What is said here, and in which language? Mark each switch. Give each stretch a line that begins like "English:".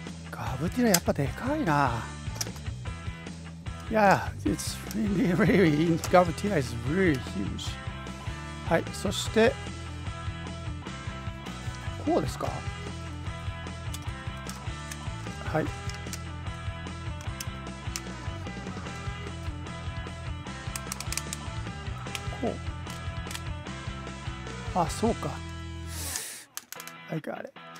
Japanese: ガブティラやっぱでかいな。
English: Yeah, it's really, really, ガブティラ is really huge.
Japanese: はい、そしてこうですか。はい。こう。あ、そうか。
English: I got it.